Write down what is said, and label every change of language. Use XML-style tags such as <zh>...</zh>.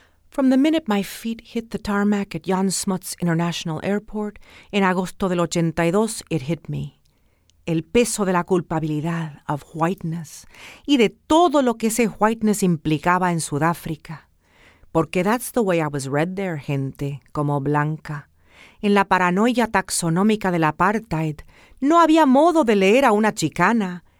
<en>From the minute my feet hit the tarmac at Jan Smuts International Airport, in</en> <es>Agosto del 82,</es> <en>it hit me. El peso de la culpabilidad of whiteness y de todo lo que ese whiteness implicaba en Sudáfrica.</en> <es>Porque</es> <en>that's the way I was read there,</en> <es>gente, como blanca. En la paranoia taxonómica del apartheid, no había modo de leer a una chicana.</es>